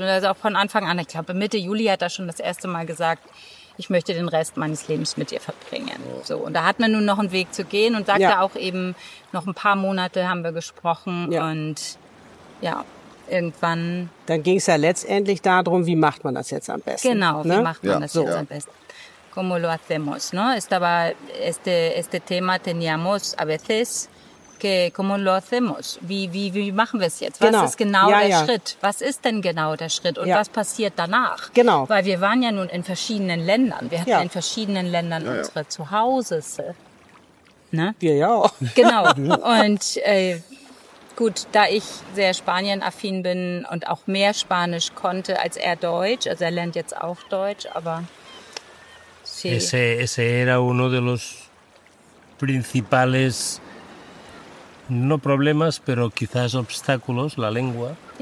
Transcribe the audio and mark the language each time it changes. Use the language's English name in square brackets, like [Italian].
[German] Und also auch von Anfang an, ich glaube Mitte Juli hat er schon das erste Mal gesagt, ich möchte den Rest meines Lebens mit dir verbringen. So, und da hat man nun noch einen Weg zu gehen und sagte auch eben, noch ein paar Monate haben wir gesprochen und irgendwann. Dann ging es ja letztendlich darum, wie macht man das jetzt am besten. Genau, ne? wie macht man das jetzt am besten. [Spanish] ¿Cómo lo hacemos? ¿No? Estaba este tema teníamos a veces que cómo lo hacemos. [German] Wie machen wir es jetzt? Was ist genau der Schritt? Was ist denn genau der Schritt und was passiert danach? Genau. Weil wir waren ja nun in verschiedenen Ländern. Wir hatten in verschiedenen Ländern unsere Zuhause. Ne? Wir ja auch. Genau. Und gut, da ich sehr spanienaffin bin und auch mehr Spanisch konnte als er Deutsch, also er lernt jetzt auch Deutsch, aber [Spanish] Ese era uno de los principales, no problemas, pero quizás obstáculos, la lengua.